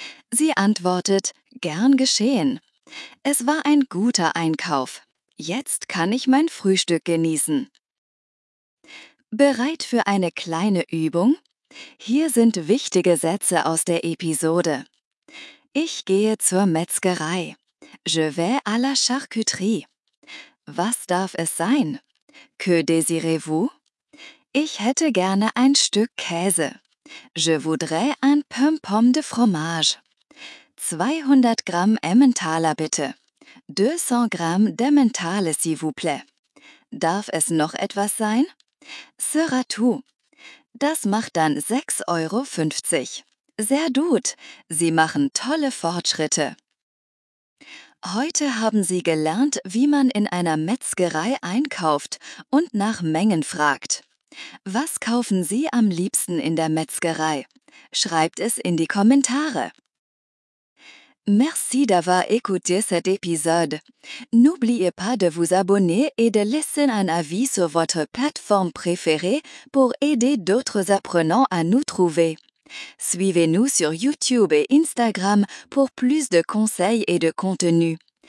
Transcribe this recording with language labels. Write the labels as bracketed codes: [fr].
[de] Sie antwortet, gern geschehen. Es war ein guter Einkauf. Jetzt kann ich mein Frühstück genießen. Bereit für eine kleine Übung? Hier sind wichtige Sätze aus der Episode. Ich gehe zur Metzgerei. [fr] Je vais à la charcuterie. [de] Was darf es sein? [fr] Que désirez-vous? [de] Ich hätte gerne ein Stück Käse. [fr] Je voudrais un pom-pom de fromage. [de] 200 Gramm Emmentaler, bitte. [fr] 200 Gramm d'Emmentaler, s'il vous plaît. [de] Darf es noch etwas sein? [fr] Sera tout. [de] Das macht dann 6,50 €. Sehr gut. Sie machen tolle Fortschritte. Heute haben Sie gelernt, wie man in einer Metzgerei einkauft und nach Mengen fragt. Was kaufen Sie am liebsten in der Metzgerei? Schreibt es in die Kommentare. [fr] Merci d'avoir écouté cet épisode. N'oubliez pas de vous abonner et de laisser un avis sur votre plateforme préférée pour aider d'autres apprenants à nous trouver. Suivez-nous sur YouTube et Instagram pour plus de conseils et de contenu.